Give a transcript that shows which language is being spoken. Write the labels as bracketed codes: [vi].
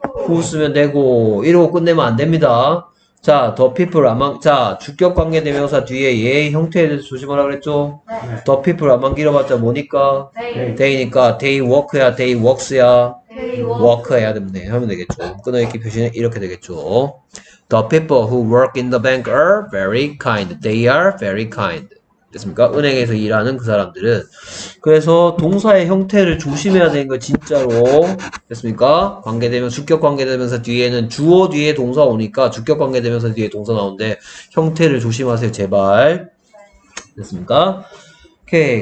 [ko] 후 쓰면 되고, 이러고 끝내면 안 됩니다. 자, [en] the people among, [ko] 자, 주격 관계대명사 뒤에 얘 형태에 대해서 조심하라 그랬죠? [en] The people among [ko] 길어봤자 뭐니까? [en] they니까, they work야, they works야. [ko] work 해야 되면 되겠죠. 끊어읽기 표시는 이렇게 되겠죠. [en] The people who work in the bank are very kind. They are very kind. 됐습니까? [ko] 은행에서 일하는 그 사람들은. 그래서 동사의 형태를 조심해야 되는 거 진짜로. 됐습니까? 관계대명, 주격 관계대명사 뒤에는 주어 뒤에 동사 오니까 주격 관계대명사 뒤에 동사 나오는데 형태를 조심하세요, 제발. 됐습니까? 오케이.